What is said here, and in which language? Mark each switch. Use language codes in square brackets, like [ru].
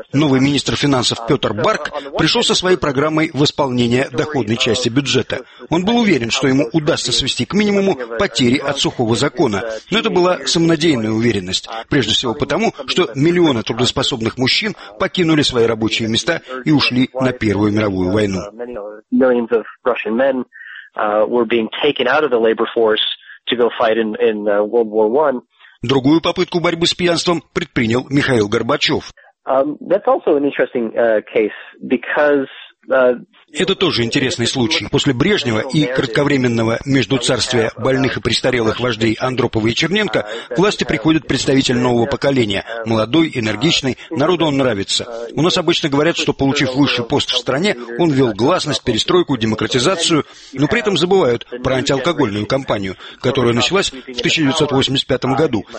[ru] Новый министр финансов Петр Барк пришел со своей программой восполнения доходной части бюджета. Он был уверен, что ему удастся свести к минимуму потери от сухого закона. Но это была самонадеянная уверенность. Прежде всего потому, что миллионы трудоспособных мужчин покинули свои рабочие места и ушли на Первую мировую войну. [en] Millions of Russian men were being taken out of the labor force to go fight in World War I. [ru] Другую попытку борьбы с пьянством предпринял Михаил Горбачев. [en] That's also an interesting case because. [ru] Это тоже интересный случай. После Брежнева и кратковременного междуцарствия больных и престарелых вождей Андропова и Черненко к власти приходит представитель нового поколения. Молодой, энергичный, народу он нравится. У нас обычно говорят, что, получив высший пост в стране, он вел гласность, перестройку, демократизацию, но при этом забывают про антиалкогольную кампанию, которая началась в 1985 году.